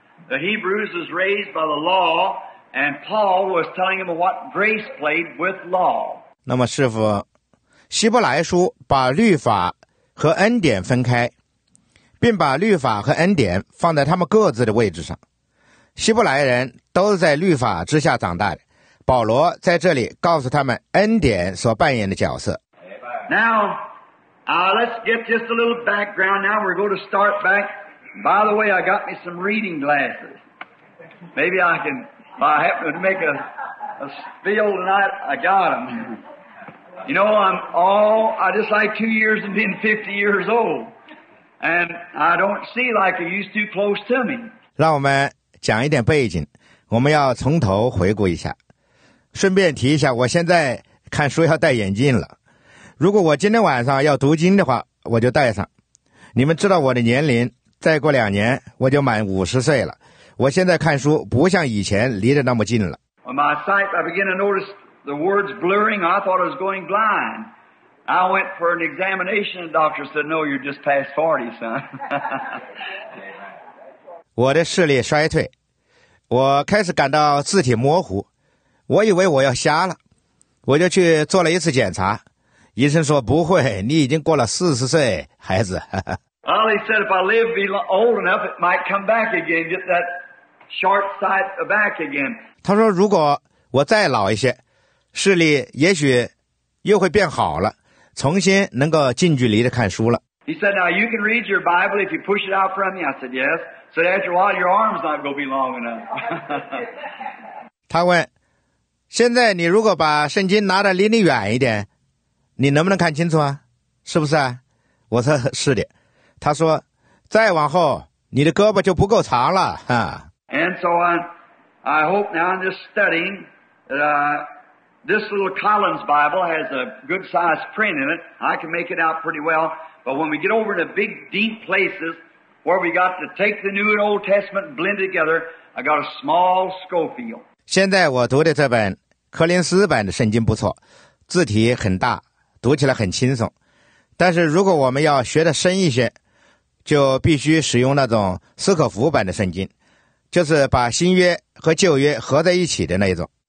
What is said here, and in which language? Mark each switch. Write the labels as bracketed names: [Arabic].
[English] The Hebrews was raised by the law and Paul was telling him what grace played with law. [Chinese] 那么师父，希伯来书把律法和恩典分开，并把律法和恩典放在他们各自的位置上。希伯来人都是在律法之下长大的，保罗在这里告诉他们恩典所扮演的角色。 [English] Now, let's get just a little background. Now we're going to start back. By the way, I got me some reading glasses. Maybe I can, if I happen to make a spill tonight, I got them. You know, I just like 2 years of being 50 years old. And I don't see like I used to close to me. [Chinese] 让我们讲一点背景，我们要从头回顾一下。顺便提一下，我现在看书要戴眼镜了。如果我今天晚上要读经的话，我就戴上。你们知道我的年龄，再过两年我就满50岁了。我现在看书不像以前离得那么近了。 [English] On my sight, I began to notice the words blurring. I thought I was going blind. I went for an examination. The doctor said, no, you're just past 40, son. [Chinese] 我的视力衰退，我开始感到字体模糊，我以为我要瞎了，我就去做了一次检查。医生说不会，你已经过了40岁，孩子。 [English] Well, he said if I live be old enough, it might come back again, get that sharp sight back again. [Chinese] 他说如果我再老一些，视力也许又会变好了，重新能够近距离的看书了。 [English] He said, now you can read your Bible if you push it out from me. I said, yes. So after a while, your arm's not going to be long enough. [Chinese] 他问，现在你如果把圣经拿得离你远一点，你能不能看清楚啊？是不是啊？我说是的。他说，再往后，你的胳膊就不够长了。 [English] And so I hope now I'm just studying that this little Collins Bible has a good size print in it. I can make it out pretty well. But when we get over to big, deep places,Where we got to take the New and Old Testament blend together, I got a small Scofield. [Chinese] 现在我读的这本柯林斯版的圣经不错，字体很大，读起来很轻松。但是如果我们要学得深一些，就必须使用那种斯可福版的圣经，就是把新约和旧约合在一起的那一种。